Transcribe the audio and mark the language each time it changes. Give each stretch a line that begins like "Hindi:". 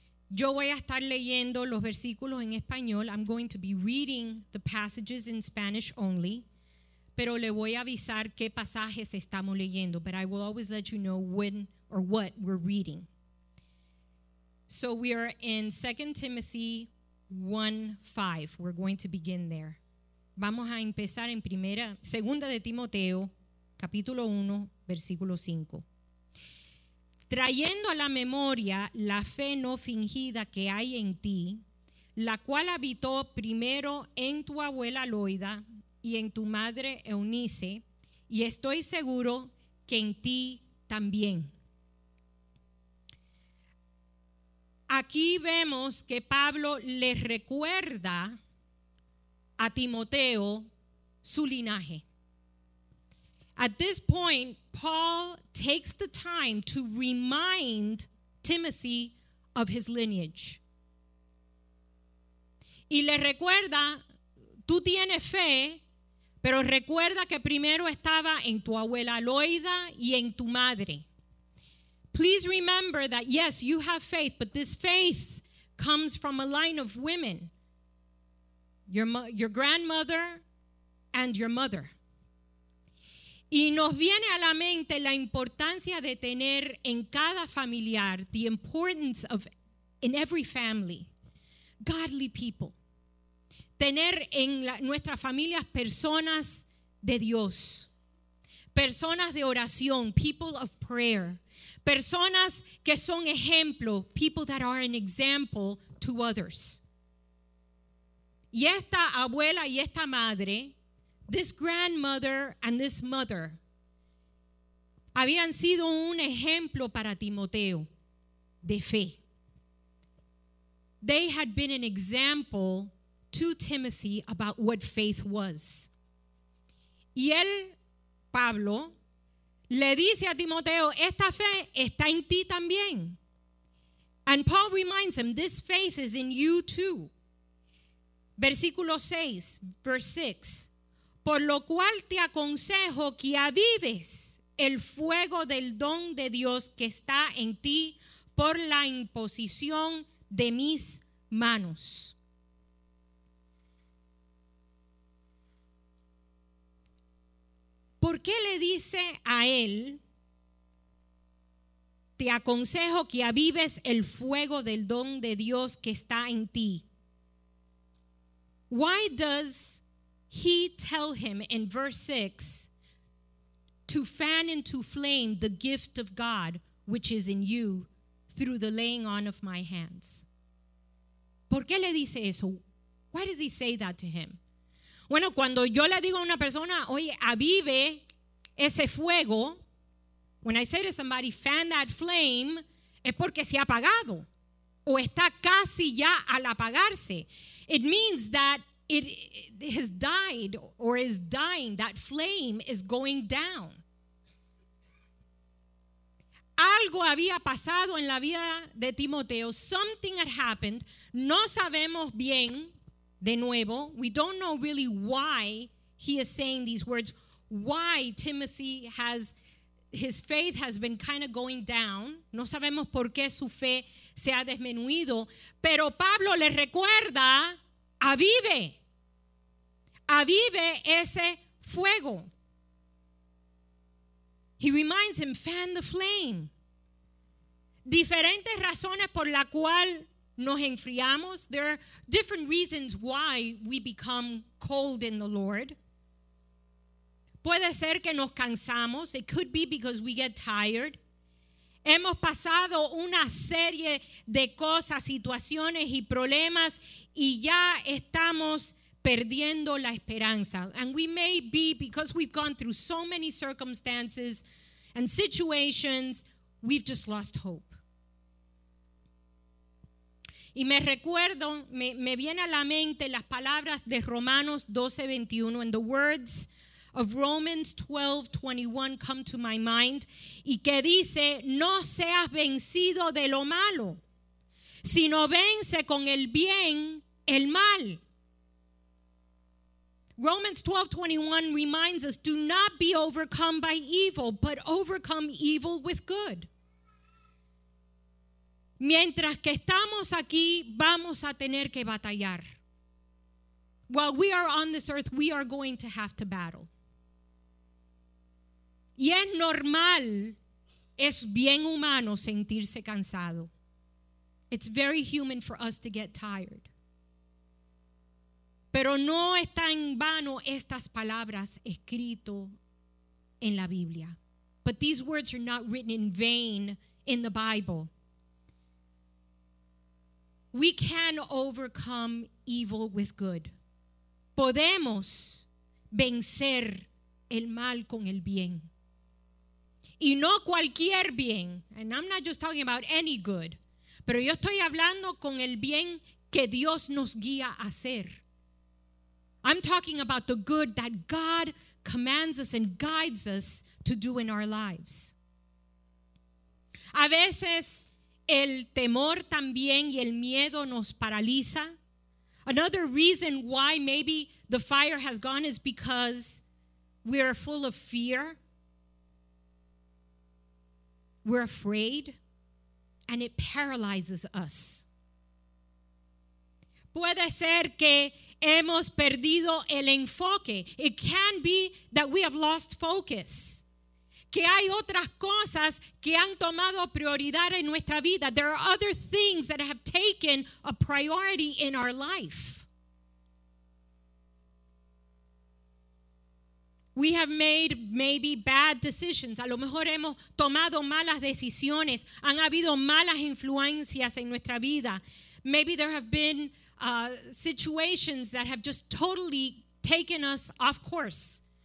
Spanish: Yo voy a estar leyendo los versículos en español.
English: I'm going to be reading the passages in Spanish only.
Spanish: Pero le voy a avisar qué pasajes estamos leyendo.
English: But I will always let you know when or what we're reading. So, we are in 2 Timothy 1:5. We're going to begin there.
Spanish: Vamos a empezar en primera, segunda de Timoteo, capítulo 1, versículo 5. Trayendo a la memoria la fe no fingida que hay en ti, la cual habitó primero en tu abuela Loida y en tu madre Eunice, y estoy seguro que en ti también. Aquí vemos que Pablo le recuerda a Timoteo su linaje.
English: At this point, Paul takes the time to remind Timothy of his lineage.
Spanish: Y le recuerda, tú tienes fe, pero recuerda que primero estaba en tu abuela Loida y en tu madre.
English: Please remember that, yes, you have faith, but this faith comes from a line of women, your grandmother and your mother.
Spanish: Y nos viene a la mente la importancia de tener en cada familiar,
English: the importance of in every family, godly people.
Spanish: Tener en nuestras familias personas de Dios, personas de oración,
English: people of prayer,
Spanish: personas que son ejemplo,
English: people that are an example to others.
Spanish: Y esta abuela y esta madre,
English: this grandmother and this mother,
Spanish: habían sido un ejemplo para Timoteo de fe.
English: They had been an example to Timothy about what faith was.
Spanish: Y él, Pablo, le dice a Timoteo, esta fe está en ti también.
English: And Paul reminds him, this faith is in you too.
Spanish: Versículo 6,
English: verse 6.
Spanish: Por lo cual te aconsejo que avives el fuego del don de Dios que está en ti por la imposición de mis manos. ¿Por qué le dice a él, te aconsejo que avives el fuego del don de Dios que está en ti?
English: Why does he tell him in verse 6 to fan into flame the gift of God which is in you through the laying on of my hands?
Spanish: ¿Por qué le dice eso?
English: Why does he say that to him?
Spanish: Bueno, cuando yo le digo a una persona, oye, avive ese fuego,
English: when I say to somebody, fan that flame,
Spanish: es porque se ha apagado o está casi ya al apagarse.
English: It means that it has died or is dying, that flame is going down.
Spanish: Algo había pasado en la vida de Timoteo,
English: something had happened,
Spanish: no sabemos bien. De nuevo,
English: we don't know really why he is saying these words, why Timothy has, his faith has been kind of going down.
Spanish: No sabemos por qué su fe se ha disminuido. Pero Pablo le recuerda, avive. Avive ese fuego.
English: He reminds him, fan the flame.
Spanish: Diferentes razones por la cual nos enfriamos.
English: There are different reasons why we become cold in the Lord.
Spanish: Puede ser que nos cansamos.
English: It could be because we get tired.
Spanish: Hemos pasado una serie de cosas, situaciones y problemas y ya estamos perdiendo la esperanza.
English: And we may be, because we've gone through so many circumstances and situations, we've just lost hope.
Spanish: Y me recuerdo, me viene a la mente las palabras de Romanos 12:21,
English: and the words of Romans 12:21 come to my mind,
Spanish: y que dice, no seas vencido de lo malo, sino vence con el bien el mal.
English: Romans 12:21 reminds us, do not be overcome by evil, but overcome evil with good.
Spanish: Mientras que estamos aquí, vamos a tener que batallar.
English: While we are on this earth, we are going to have to battle.
Spanish: Y es normal, es bien humano sentirse cansado.
English: It's very human for us to get tired.
Spanish: Pero no está en vano estas palabras escrito en la Biblia.
English: But these words are not written in vain in the Bible. We can overcome evil with good.
Spanish: Podemos vencer el mal con el bien. Y no cualquier bien.
English: And I'm not just talking about any good.
Spanish: Pero yo estoy hablando con el bien que Dios nos guía a hacer.
English: I'm talking about the good that God commands us and guides us to do in our lives.
Spanish: A veces el temor también y el miedo nos paraliza.
English: Another reason why maybe the fire has gone is because we are full of fear. We're afraid and it paralyzes us.
Spanish: Puede ser que hemos perdido el enfoque.
English: It can be that we have lost focus.
Spanish: Que hay otras cosas que han tomado prioridad en nuestra vida.
English: There are other things that have taken a priority in our life. We have made maybe bad decisions.
Spanish: A lo mejor hemos tomado malas decisiones. Han habido malas influencias en nuestra vida.
English: Maybe there have been situations that have just totally taken us off course.